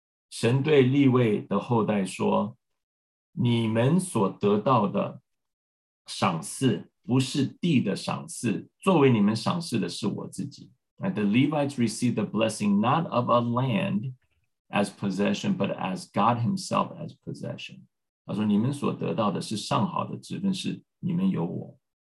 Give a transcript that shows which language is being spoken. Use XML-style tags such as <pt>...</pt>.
<zh>神对利未的后代说，你们所得到的赏赐不是地的赏赐，作为你们赏赐的是我自己。</zh> <en>The Levites received the blessing not of a land as possession but as God himself as possession.</en> <zh>他说你们所得到的是上好的职分，是你们有我。</zh>